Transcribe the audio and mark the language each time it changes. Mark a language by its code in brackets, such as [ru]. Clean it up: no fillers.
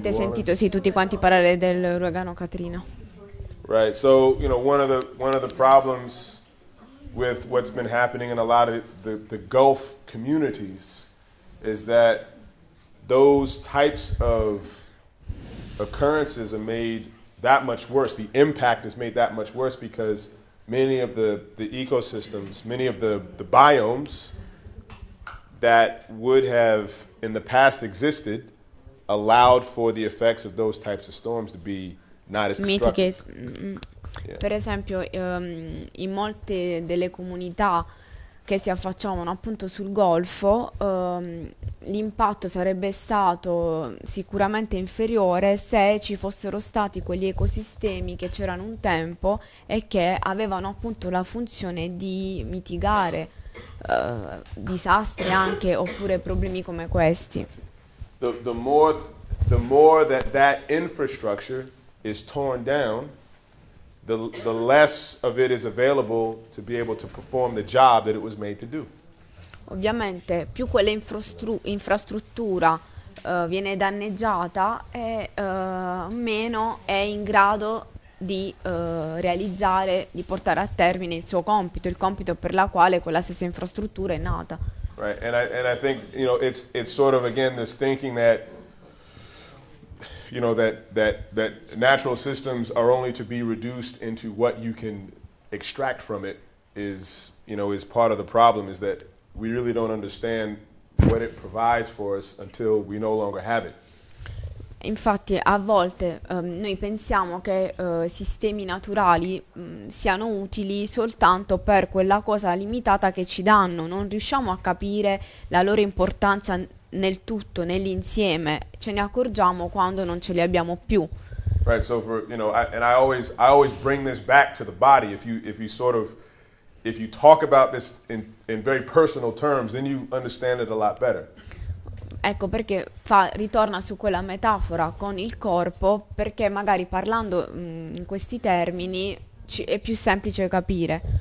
[it] Avete sentito, sì, tutti quanti parlare dell'uragano Katrina. [en] Right, so, you know, one of the problems with what's been happening in a lot of the Gulf communities is that those types of occurrences are made that much worse. The impact is made that much worse because many of the ecosystems, many of the biomes that would have in the past existed allowed for the effects of those types of storms to be not as destructive. [it] Per esempio, in molte delle comunità che si affacciavano appunto sul Golfo, l'impatto sarebbe stato sicuramente inferiore se ci fossero stati quegli ecosistemi che c'erano un tempo e che avevano appunto la funzione di mitigare disastri anche oppure problemi come questi. [en] The more that infrastructure is torn down, the less of it is available to be able to perform the job that it was made to do. [it] Ovviamente, più quella infrastruttura viene danneggiata, e meno è in grado di realizzare, di portare a termine il suo compito, il compito per la quale quella stessa infrastruttura è nata. [en] Right, and I think, you know, it's sort of again this thinking that, you know, that natural systems are only to be reduced into what you can extract from it is part of the problem, is that we really don't understand what it provides for us until we no longer have it. [it] Infatti, a volte noi pensiamo che sistemi naturali siano utili soltanto per quella cosa limitata che ci danno. Non riusciamo a capire la loro importanza nel tutto, nell'insieme. Ce ne accorgiamo quando non ce li abbiamo più. [en] Right, so for, you know, I always bring this back to the body. If you talk about this in very personal terms, then you understand it a lot better. [it] Ecco perché ritorna su quella metafora con il corpo, perché magari parlando in questi termini è più semplice capire.